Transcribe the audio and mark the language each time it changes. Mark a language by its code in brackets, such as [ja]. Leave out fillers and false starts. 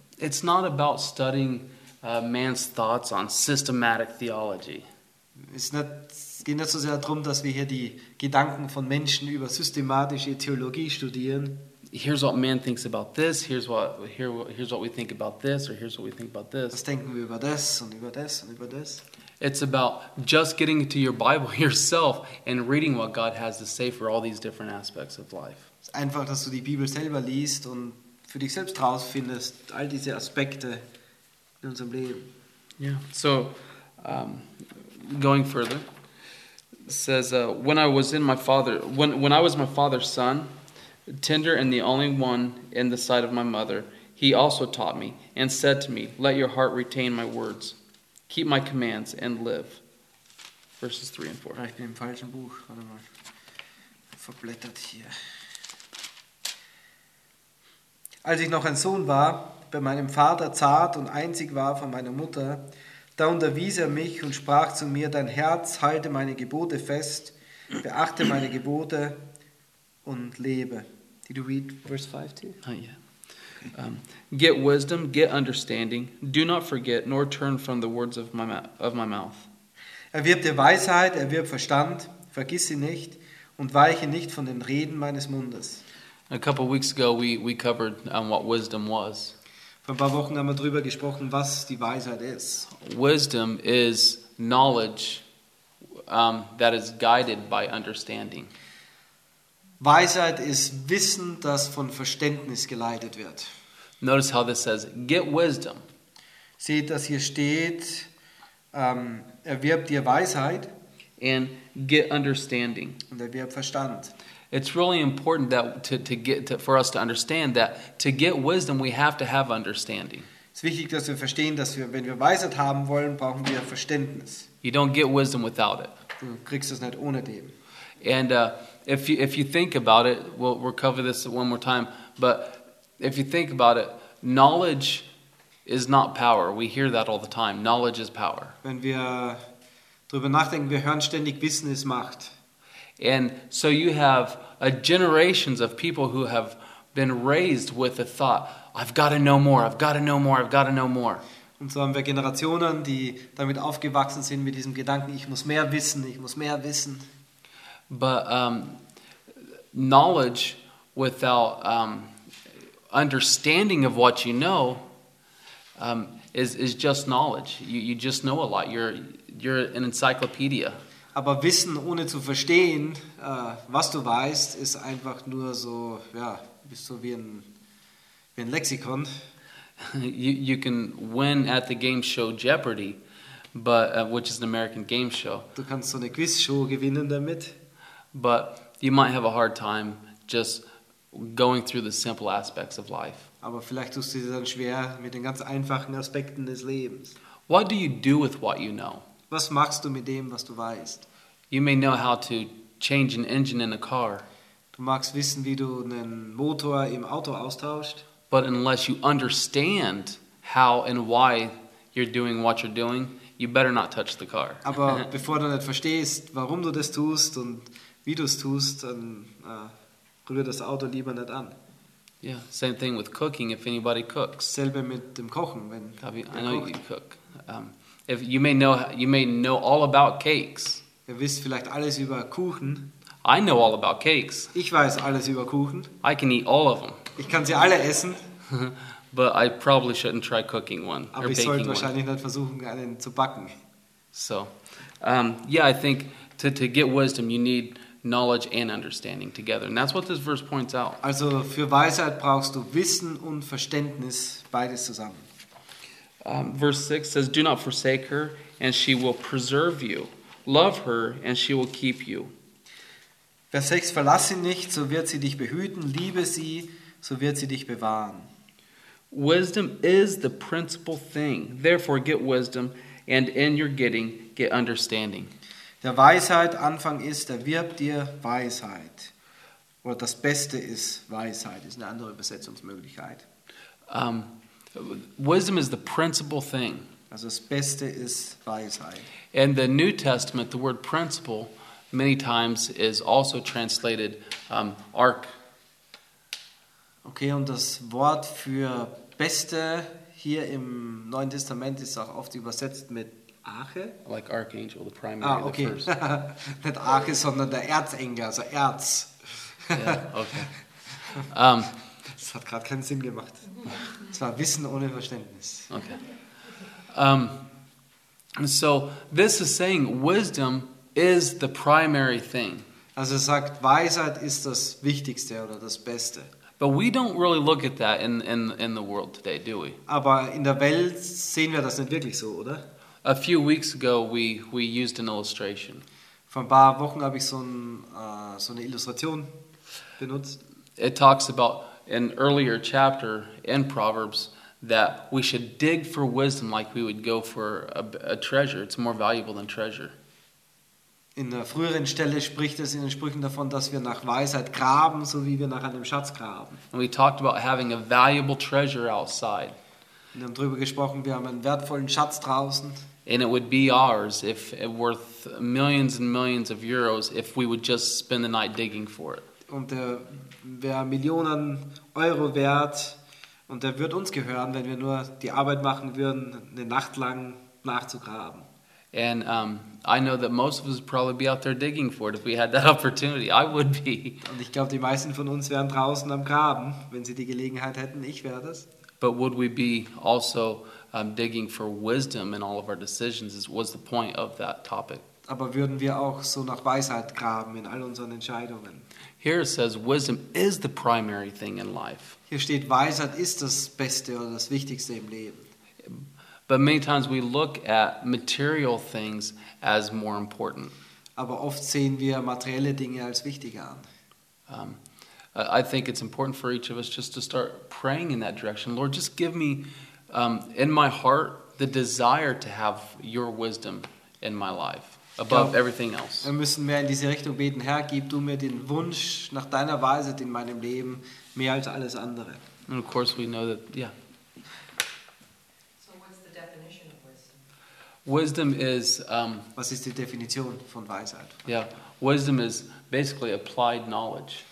[en] It's not about studying man's thoughts on systematic theology. [de] Es geht nicht so sehr darum, dass wir hier die Gedanken von Menschen über systematische Theologie studieren. [en] Here's what man thinks about this. Here's what we think about this. Or here's what we think about this. [de] Was denken wir über das und über das und über das? [en] It's about just getting into your Bible yourself and reading what God has to say for all these different aspects of life. [de] Es ist einfach, dass du die Bibel selber liest und für dich selbst rausfindest all diese Aspekte in unserem Leben. [en] Yeah. So, going further, it says, when I was my father's son, tender and the only one in the sight of my mother, he also taught me and said to me, let your heart retain my words, keep my commands and live. Verses 3 and 4. [de] Ich bin im falschen Buch. Warte mal. Verblättert hier. Als ich noch ein Sohn war, bei meinem Vater zart und einzig war von meiner Mutter, da unterwies er mich und sprach zu mir, dein Herz, halte meine Gebote fest, beachte meine Gebote und lebe. [en] Did you read verse 5 too? Not yet. Get wisdom, get understanding, do not forget nor turn from the words of my mouth. [de] Erwirb dir Weisheit, erwirb Verstand, vergiss sie nicht und weiche nicht von den Reden meines Mundes. [en] A couple of weeks ago we covered what wisdom was. [de] Vor ein paar Wochen haben wir drüber gesprochen, was die Weisheit ist. [en] Wisdom is knowledge that is guided by understanding. [de] Weisheit ist Wissen, das von Verständnis geleitet wird. [en] Notice how this says, get wisdom. [de] Seht, dass hier steht, erwirb dir Weisheit. [en] And get understanding. [de] Und erwirb Verstand. [en] It's really important that for us to understand that to get wisdom we have to have understanding. [de] Es ist wichtig, dass wir verstehen, dass wir, wenn wir Weisheit haben wollen, brauchen wir Verständnis. [en] You don't get wisdom without it. [de] Du kriegst es nicht ohne dem. [en] And if you think about it, we'll cover this one more time. But if you think about it, knowledge is not power. We hear that all the time. Knowledge is power. [de] Wenn wir darüber nachdenken, wir hören ständig, Wissen ist Macht. [en] And so you have generations of people who have been raised with the thought, I've got to know more, I've got to know more, I've got to know more. [de] Und so haben wir Generationen, die damit aufgewachsen sind mit diesem Gedanken, ich muss mehr wissen, ich muss mehr wissen. [en] But knowledge without understanding of what you know is just knowledge. You just know a lot. You're an encyclopedia. [de] Aber Wissen ohne zu verstehen, was du weißt, ist einfach nur so, ja, bist so wie ein Lexikon. [en] You can win at the game show Jeopardy, but which is an American game show. [de] Du kannst so eine Quizshow gewinnen damit. [en] But you might have a hard time just going through the simple aspects of life. [de] Aber vielleicht tust du dir dann schwer mit den ganz einfachen Aspekten des Lebens. [en] What do you do with what you know? [de] Was machst du mit dem, was du weißt? [en] You may know how to change an engine in a car. [de] Du magst wissen, wie du einen Motor im Auto austauscht. [en] But unless you understand how and why you're doing what you're doing, you better not touch the car. [de] Aber bevor du nicht verstehst, warum du das tust und wie du es tust, dann rühr das Auto lieber nicht an. [en] Yeah, same thing with cooking. If anybody cooks, [de] selbe mit dem Kochen, wenn [en] Gabi, I know [de] kocht. [en] You cook. If you may know all about cakes. [de] Ihr wisst vielleicht alles über Kuchen. [en] I know all about cakes. [de] Ich weiß alles über Kuchen. [en] I can eat all of them. [de] Ich kann sie alle essen. [en] But I probably shouldn't try cooking one. [de] Aber ich sollte wahrscheinlich nicht versuchen, einen zu backen. [en] So, yeah, I think to get wisdom, you need knowledge and understanding together, and that's what this verse points out. [de] Also, für Weisheit brauchst du Wissen und Verständnis, beides zusammen. [en] Verse 6 says, "Do not forsake her, and she will preserve you. Love her, and she will keep you." [de] Vers 6: Verlass sie nicht, so wird sie dich behüten. Liebe sie, so wird sie dich bewahren. [en] Wisdom is the principal thing. Therefore, get wisdom, and in your getting, get understanding. [de] Der Weisheit Anfang ist, erwirb dir Weisheit. Oder das Beste ist Weisheit. Das ist eine andere Übersetzungsmöglichkeit. [en] Wisdom is the principal thing. [de] Also das Beste ist Weisheit. [en] In the New Testament, the word principle many times is also translated ark. [de] Okay, und das Wort für Beste hier im Neuen Testament ist auch oft übersetzt mit Arche? [en] Like Archangel, the primary, ah, okay. The first. [de] Nicht Arche, sondern der Erzengel, also Erz. Yeah, okay. Das hat gerade keinen Sinn gemacht. Es war Wissen ohne Verständnis. [en] Okay. So, this is saying wisdom is the primary thing. [de] Also es sagt, Weisheit ist das Wichtigste oder das Beste. [en] But we don't really look at that in the world today, do we? [de] Aber in der Welt sehen wir das nicht wirklich so, oder? [en] A few weeks ago, we used an illustration. [de] Vor ein paar Wochen habe ich so eine Illustration benutzt. [en] It talks about an earlier chapter in Proverbs that we should dig for wisdom like we would go for a treasure. It's more valuable than treasure. [de] In der früheren Stelle spricht es in den Sprüchen davon, dass wir nach Weisheit graben, so wie wir nach einem Schatz graben. [en] And we talked about having a valuable treasure outside. [de] Wir haben darüber gesprochen, wir haben einen wertvollen Schatz draußen. [en] And it would be ours if it worth millions and millions of euros if we would just spend the night digging for it. [de] Und der wäre Millionen Euro wert und der wird uns gehören, wenn wir nur die Arbeit machen würden, eine Nacht lang nachzugraben. [en] And I know that most of us would probably be out there digging for it if we had that opportunity. I would be. [de] Und ich glaube, die meisten von uns wären draußen am Graben, wenn sie die Gelegenheit hätten. Ich wäre das. [en] But would we be also digging for wisdom in all of our decisions? Was the point of that topic? [de] Aber würden wir auch so nach Weisheit graben in all unseren Entscheidungen? [en] Here it says wisdom is the primary thing in life. [de] Hier steht, Weisheit ist das Beste oder das Wichtigste im Leben. [en] But many times we look at material things as more important. [de] Aber oft sehen wir materielle Dinge als wichtiger an. [en] I think it's important for each of us just to start praying in that direction. Lord, just give me in my heart the desire to have your wisdom in my life above everything else. [de] Wir müssen mehr in diese Richtung beten. Herr, gib du mir den Wunsch nach deiner Weisheit in meinem Leben mehr als alles andere. [en] And of course we know that, yeah. So what's the definition of wisdom? Wisdom is... [de] Was ist die Definition von Weisheit? [en] Yeah, wisdom is... Basically, applied knowledge.